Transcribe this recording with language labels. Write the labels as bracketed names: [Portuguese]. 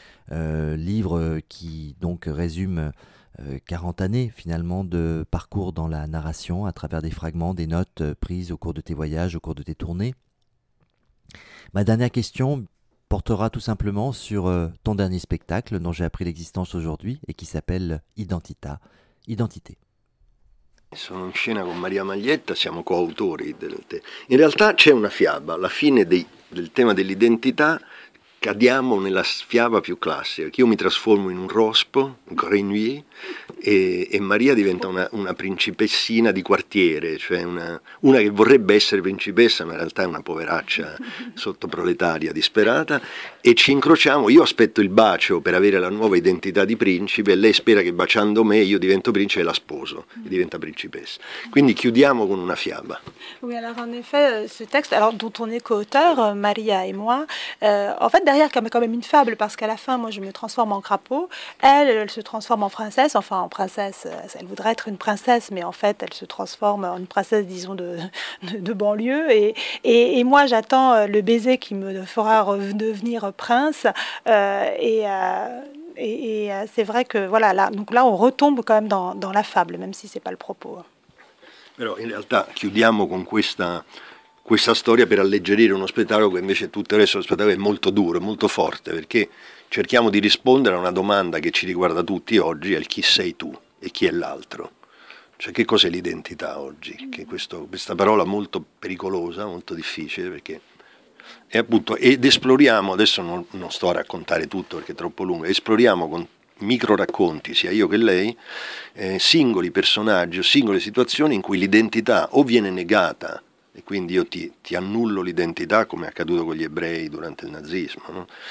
[French] Livre qui donc résume 40 années finalement de parcours dans la narration à travers des fragments, des notes prises au cours de tes voyages, au cours de tes tournées. Ma dernière question portera tout simplement sur ton dernier spectacle dont j'ai appris l'existence aujourd'hui et qui s'appelle Identità, Identité. [Italian] Sono in scena con Maria Maglietta, siamo coautori del tema. In realtà c'è una fiaba, la fine del tema dell'identità. Cadiamo nella fiaba più classica, che io mi trasformo in un rospo, [French] un grenouille, [Italian] e Maria diventa una principessina di quartiere, cioè una che vorrebbe essere principessa, ma in realtà è una poveraccia sottoproletaria, disperata, e ci incrociamo, io aspetto il bacio per avere la nuova identità di principe, e lei spera che baciando me io divento principe e la sposo, e diventa principessa. Quindi chiudiamo con una fiaba. [French] Oui, alors en effet, ce texte, alors dont on est co-auteur, Maria et moi, en fait, derrière, quand même une fable, parce qu'à la fin, moi, je me transforme en crapaud, elle se transforme en princesse, enfin, en princesse, elle voudrait être une princesse, mais en fait, elle se transforme en une princesse, disons, de banlieue, et moi, j'attends le baiser qui me fera devenir prince, et c'est vrai que, voilà, là, donc là, on retombe quand même dans la fable, même si c'est pas le propos. Alors, en réalité, [Italian] chiudiamo con questa storia per alleggerire uno spettacolo che invece tutto il resto dello spettacolo è molto duro, molto forte, perché cerchiamo di rispondere a una domanda che ci riguarda tutti oggi, è il chi sei tu e chi è l'altro. Cioè, che cos'è l'identità oggi? Che questa parola molto pericolosa, molto difficile, perché è appunto, ed esploriamo, adesso non sto a raccontare tutto perché è troppo lungo, esploriamo con micro racconti, sia io che lei, singoli personaggi o singole situazioni in cui l'identità o viene negata, e quindi io ti annullo l'identità, come è accaduto con gli ebrei durante il nazismo, no?